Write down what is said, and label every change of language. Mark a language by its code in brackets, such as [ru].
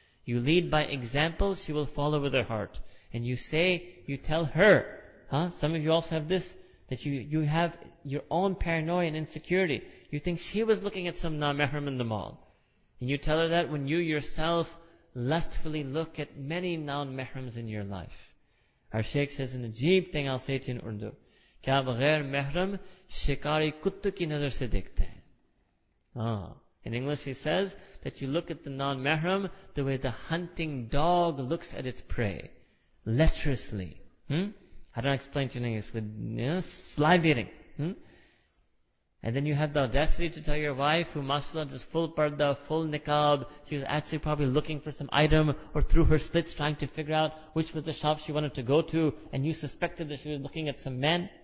[en] You lead by example, she will follow with her heart. And you say, you tell her, some of you also have this, that you have your own paranoia and insecurity. You think she was looking at some non-mahram in the mall. And you tell her that when you yourself lustfully look at many non-mahrams in your life. Our Shaykh says an ajeeb thing, I'll say it in Urdu. [ur] کیا بغیر محرم شکاری کتو کی نظر سے دیکھتے ہیں۔ [en] In English he says that you look at the non-mahram the way the hunting dog looks at its prey. Lecherously. I don't explain to you in English. Salivating. And then you have the audacity to tell your wife, who mashallah does full parda, full niqab, she was actually probably looking for some item, or through her slits trying to figure out which was the shop she wanted to go to, and you suspected that she was looking at some men.